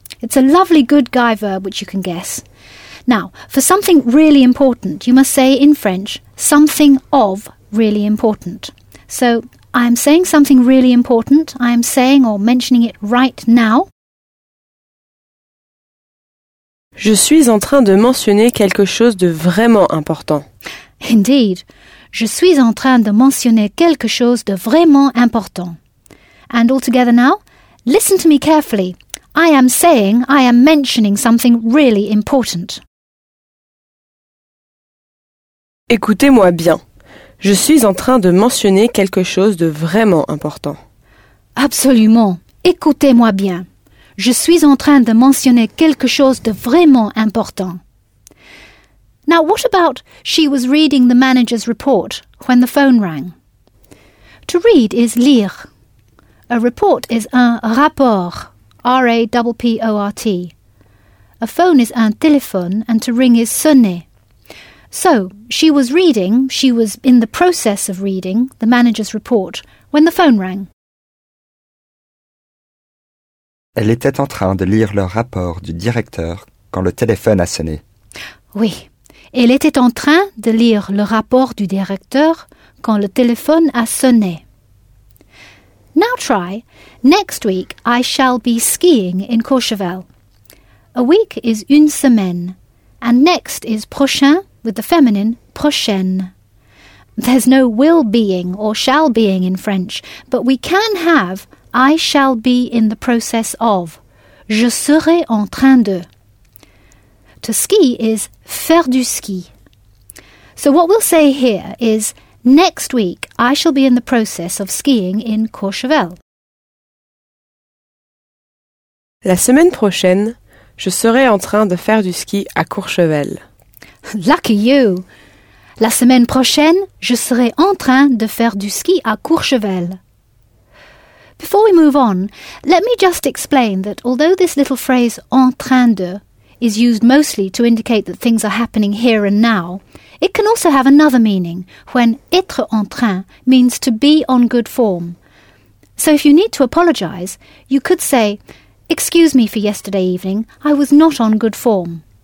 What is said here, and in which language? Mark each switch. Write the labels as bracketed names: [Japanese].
[English] It's a lovely good guy verb which you can guess. Now, for something really important, you must say in French, something of really important. So, I am saying something really important. I am saying or mentioning it right now. [French] Je suis en train de mentionner quelque chose de vraiment important. [English] Indeed. [French] Je suis en train de mentionner quelque chose de vraiment important. [English] And all together now, listen to me carefully. I am saying, I am mentioning something really important. [French] Écoutez-moi bien. Je suis en train de mentionner quelque chose de vraiment important. Absolument. Écoutez-moi bien. Je suis en train de mentionner quelque chose de vraiment important. [English] Now, what about she was reading the manager's report when the phone rang? To read is lire. A report is un rapport, R-A-P-P-O-R-T. A phone is un téléphone and to ring is sonner. So, she was reading, she was in the process of reading, the manager's report, when the phone rang. [French] Elle était en train de lire le rapport du directeur quand le téléphone a sonné. Oui. Elle était en train de lire le rapport du directeur quand le téléphone a sonné. [English] Now try, next week I shall be skiing in Courchevel. A week is une semaine, and next is prochain, with the feminine, prochaine. There's no will being or shall being in French, but we can have I shall be in the process of. [French] Je serai en train de. [English] To ski is [French] faire du ski. [English] So what we'll say here is next week I shall be in the process of skiing in Courchevel. [French] La semaine prochaine, je serai en train de faire du ski à Courchevel. [English] Lucky you! [French] La semaine prochaine, je serai en train de faire du ski à Courchevel. [English] Before we move on, let me just explain that although this little phrase en train de is used mostly to indicate that things are happening here and now, it can also have another meaning, when être en train means to be on good form. So if you need to apologise, you could say, excuse me for yesterday evening, I was not on good form.